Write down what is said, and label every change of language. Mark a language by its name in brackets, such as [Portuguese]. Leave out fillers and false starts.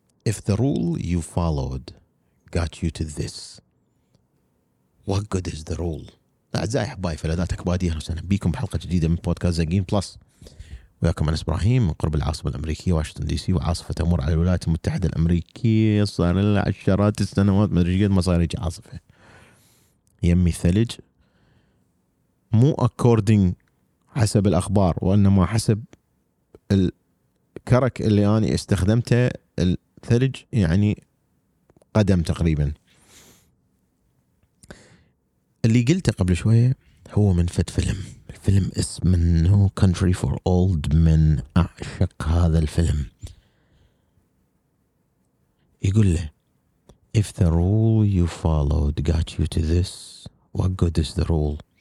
[English] If the rule you followed got you to this, what good is the rule? [Arabic] أعزائي أحبائي فلذات أكبادي أهلا وسهلا بكم بحلقة جديدة من بودكاست زنجين بلس. وياكم أنس إبراهيم من قرب العاصمة الأمريكية واشنطن دي سي وعاصفة تمر على الولايات المتحدة الأمريكية. صار لها عشرات السنوات مدري قد ما صار يجي عاصفة يمي ثلج مو أكوردينج حسب الأخبار وإنما حسب الكرك اللي أنا استخدمته ثلج يعني قدم تقريبا. اللي قلته قبل شوية هو من فد فيلم, الفيلم اسمه No Country for Old Men. أعشق هذا الفيلم. يقول له [English] If the rule you followed got you to this, what good is the rule?